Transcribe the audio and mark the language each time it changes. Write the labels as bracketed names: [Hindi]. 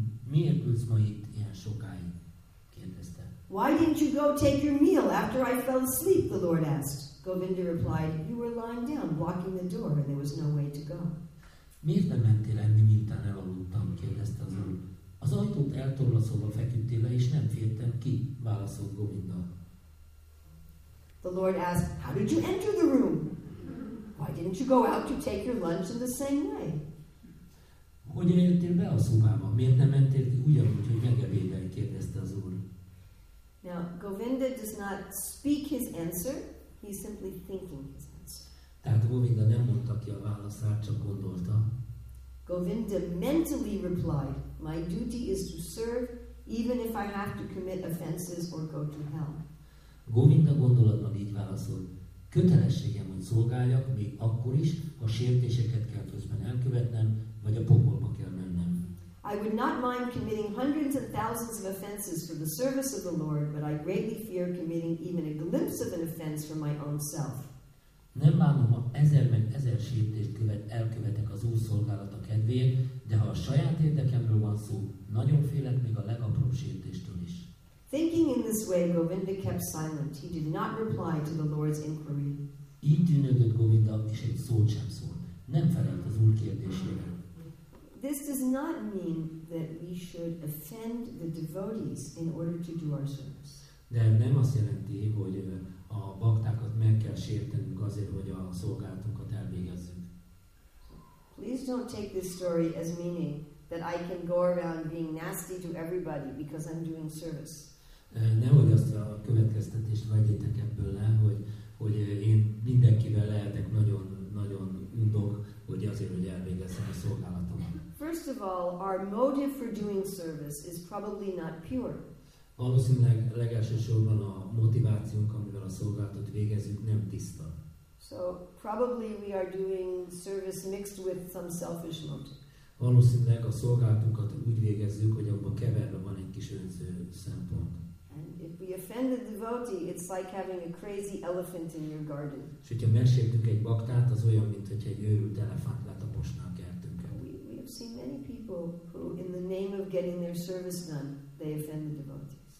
[Hungarian] Miért ülsz ma itt ilyen sokáig? Kérdezte. [English] Why didn't you go take your meal after I fell asleep? The Lord asked. Govinda replied, "You were lying down, blocking the door, and there was no way to go." [Hungarian] Miért nem mentél enni, miután elaludtam? Kérdezte az Úr. Az ajtót eltorlaszolva feküdtél le, és nem fértem ki, válaszolt Govinda. [English] The Lord asked, "How did you enter the room? Why didn't you go out to take your lunch in the same way?" [Hungarian] Hogyan jöttél be a szobába? Miért nem mentél ki ugyanúgy, hogy megebédelj? Kérdezte az Úr. [English] Now, Govinda does not speak his answer, he's simply thinking his answer. [Hungarian] Tehát Govinda nem mondta ki a válaszát, csak gondolta. [English] Govinda mentally replied, "My duty is to serve, even if I have to commit offenses or go to hell." [Hungarian] Govinda gondolatban így válaszol, kötelességem, hogy szolgáljak, még akkor is, ha sértéseket kell közben elkövetnem, vagy a pokolba kell mennem. [English] I would not mind committing hundreds of thousands of offenses for the service of the Lord, but I greatly fear committing even a glimpse of an offense for my own self. [Hungarian] Nem bánom, ha ezer meg ezer sértést elkövetek az Úr szolgálata kedvéért, de ha a saját érdekemről van szó, nagyon félek még a legapróbb sértéstől is. [English] Thinking in this way, Govinda kept silent. He did not reply to the Lord's inquiry. [Hungarian] Így tűnődött Govinda, és egy szót sem szólt. Nem felelt az Úr kérdésére. [English] This does not mean that we should offend the devotees in order to do our service. [Hungarian] De nem azt jelenti, hogy a baktákat meg kell sértenünk azért, hogy a szolgálatunkat elvégezzük. [English] Please don't take this story as meaning that I can go around being nasty to everybody because I'm doing service. [Hungarian] Nehogy azt a következtetést vegyétek ebből le, hogy én mindenkivel lehetek nagyon undok, hogy azért, hogy elvégezzem a szolgálatomat. [English] First of all, our motive for doing service is probably not pure. [Hungarian] Valószínűleg legelsősorban a motivációnk, amivel a szolgálatot végezzük, nem tiszta. [English] So probably we are doing service mixed with some selfish motive. [Hungarian] Valószínűleg a szolgálatunkat úgy végezzük, hogy abban keverve van egy kis önző szempont. [English] And if we offend a devotee, it's like having a crazy elephant in your garden. [Hungarian] És hogyha megsértünk egy baktát, az olyan, mintha egy őrült elefánt letaposnánk. [English] See many people who, in the name of getting their service done, they offend the devotees.